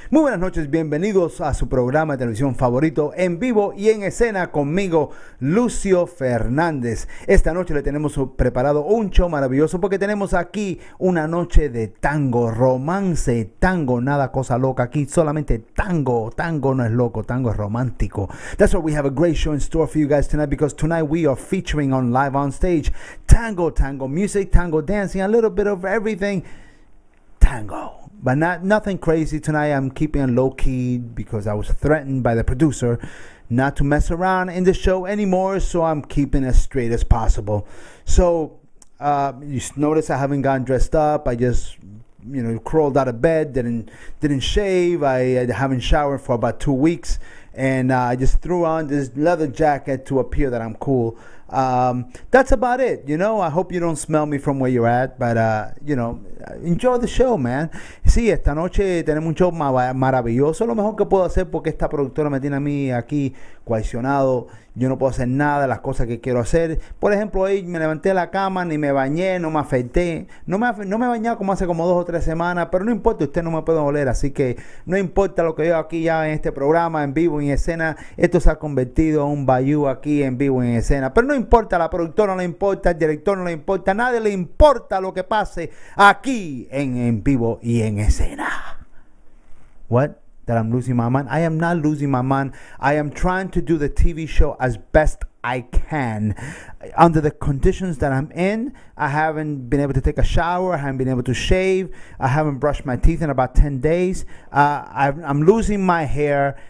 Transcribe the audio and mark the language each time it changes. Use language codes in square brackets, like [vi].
[es] Muy buenas noches, bienvenidos a su programa de televisión favorito en vivo y en escena conmigo, Lucio Fernandez. Esta noche le tenemos preparado un show maravilloso porque tenemos aquí una noche de tango, romance, tango, nada cosa loca aquí, solamente tango. Tango no es loco, tango es romántico. [en] That's why we have a great show in store for you guys tonight, because tonight we are featuring on Live on Stage tango, tango music, tango dancing, a little bit of everything, tango. But nothing crazy tonight. I'm keeping it low-key because I was threatened by the producer not to mess around in the show anymore, so I'm keeping as straight as possible. So you notice I haven't gotten dressed up. I just, you know, crawled out of bed, didn't shave. I haven't showered for about 2 weeks, and I just threw on this leather jacket to appear that I'm cool. That's about it, you know. I hope you don't smell me from where you're at, but you know, enjoy the show, man. [es] Sí, esta noche tenemos un show maravilloso. Lo mejor que puedo hacer, porque esta productora me tiene a mí aquí coaccionado, yo no puedo hacer nada de las cosas que quiero hacer. Por ejemplo, hoy me levanté de la cama, ni me bañé, no me afeité, no me he bañado como hace como 2 o 3 semanas, pero no importa, usted no me puede oler, así que no importa lo que yo aquí ya en este programa, en vivo, en escena. Esto se ha convertido en un bayou aquí, en vivo, en escena, pero no importa, la productora no le importa, el director no le importa, nadie le importa lo que pase aquí en vivo y en escena. [en] What? That I'm losing my mind? I am not losing my mind. I am trying to do the TV show as best I can. Under the conditions that I'm in, I haven't been able to take a shower. I haven't been able to shave. I haven't brushed my teeth in about 10 days. I'm losing my hair.